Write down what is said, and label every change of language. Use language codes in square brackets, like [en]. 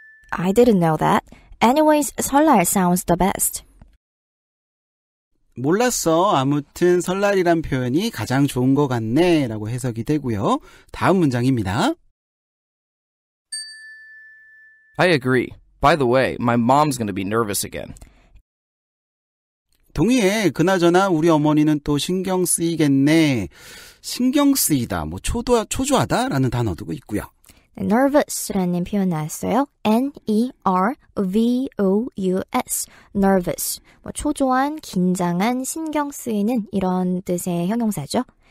[en] I didn't know that. Anyways, 설날 sounds the best. [ko] 몰랐어. 아무튼 설날이란 표현이 가장 좋은 것 같네 라고 해석이 되고요. 다음 문장입니다. [en] I agree. By the way, my mom's gonna be nervous again. [ko] 동의해. 그나저나 우리 어머니는 또 신경 쓰이겠네. 신경 쓰이다, 뭐 초조하다라는 단어도 있고요. nervous라는 표현 나왔어요. N-E-R-V-O-U-S, nervous. 뭐 초조한, 긴장한, 신경 쓰이는 이런 뜻의 형용사죠.